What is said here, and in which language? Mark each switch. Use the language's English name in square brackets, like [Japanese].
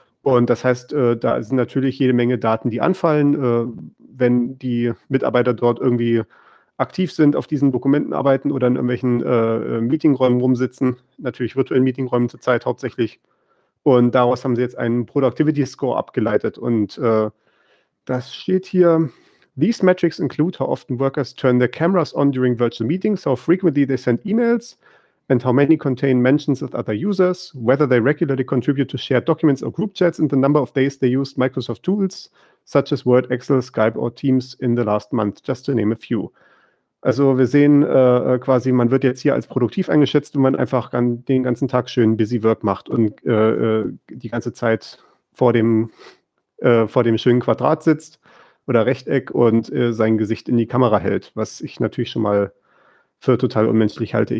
[German] Und das heißt, da sind natürlich jede Menge Daten, die anfallen. Wenn die Mitarbeiter dort irgendwie aktiv sind, auf diesen Dokumenten arbeiten oder in irgendwelchen Meetingräumen rumsitzen, natürlich virtuellen Meetingräumen zurzeit hauptsächlich. Und daraus haben sie jetzt einen Productivity Score abgeleitet. Und das steht hier: [English] These metrics include how often workers turn their cameras on during virtual meetings, how frequently they send emails, and how many contain mentions of other users, whether they regularly contribute to shared documents or group chats, and the number of days they used Microsoft tools, such as Word, Excel, Skype or Teams in the last month, just to name a few. [German] Also wir sehen quasi, man wird jetzt hier als produktiv eingeschätzt, wenn man einfach den ganzen Tag schön busy work macht und die ganze Zeit vor dem schönen Quadrat sitzt oder Rechteck und sein Gesicht in die Kamera hält, was ich natürlich schon mal für total unmenschlich halte.